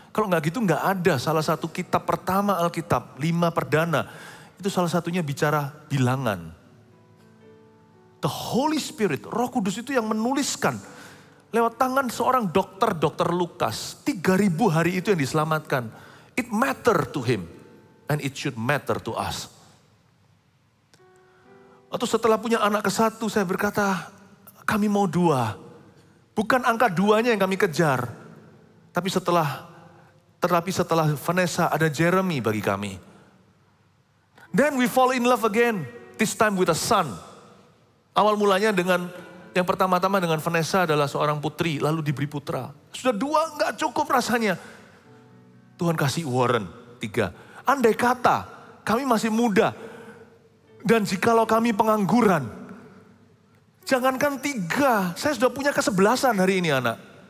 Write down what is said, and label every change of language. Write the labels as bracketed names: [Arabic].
[Indonesian] Kalau enggak gitu, enggak ada. Salah satu kitab pertama Alkitab, 5 perdana. Itu salah satunya bicara bilangan. The Holy Spirit, Roh Kudus itu yang menuliskan lewat tangan seorang dokter, Dr. Lukas. 3000 hari itu yang diselamatkan. [English] It matter to him and it should matter to us. [Indonesian] Atau setelah punya anak ke 1, saya berkata, kami mau 2. Bukan angka 2-nya yang kami kejar. Tapi setelah Vanessa ada Jeremy bagi kami. [English] Then we fall in love again, this time with a son. [Indonesian] Awal mulanya dengan, yang pertama-tama dengan Vanessa adalah seorang putri, lalu diberi putra. Sudah 2 gak cukup rasanya. Tuhan kasih Warren, 3. Andai kata, kami masih muda, dan jikalau kami pengangguran, jangankan 3, saya sudah punya kesebelasan hari ini anak.